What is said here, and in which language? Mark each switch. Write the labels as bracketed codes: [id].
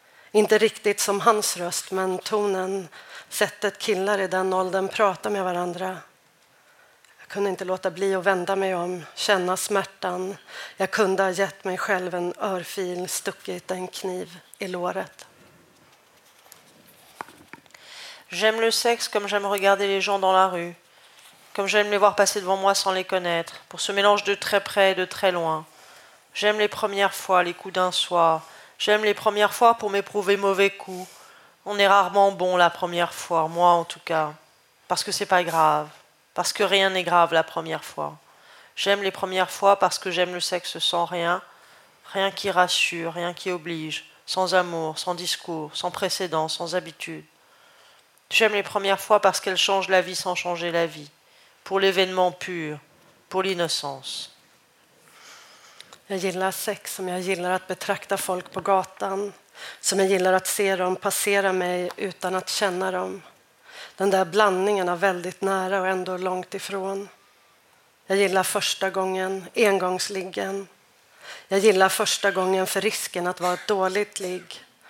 [sv] Inte riktigt som hans röst, men tonen, sättet killar i den åldern pratar med varandra. Jag kunde inte låta bli att vända mig om, känna smärtan. Jag kunde ha gett mig själv en örfil, stuckit en kniv i låret. [fr] J'aime le sexe comme j'aime regarder les gens dans la rue. Comme j'aime les voir passer devant moi sans les connaître, pour ce mélange de très près et de très loin. J'aime les premières fois, les coups d'un soir. J'aime les premières fois pour m'éprouver mauvais coup. On est rarement bon la première fois, moi en tout cas. Parce que c'est pas grave. Parce que rien n'est grave la première fois. J'aime les premières fois parce que j'aime le sexe sans rien. Rien qui rassure, rien qui oblige. Sans amour, sans discours, sans précédent, sans habitude. J'aime les premières fois parce qu'elles changent la vie sans changer la vie. Pour l'événement pur, pour l'innocence. [sv] Jag gillar sex som jag gillar att betrakta folk på gatan. Som jag gillar att se dem passera mig utan att känna dem. Den där blandningen av väldigt nära och ändå långt ifrån. Jag gillar första gången, engångsliggen. Jag gillar första gången för risken att vara ett dåligt ligg.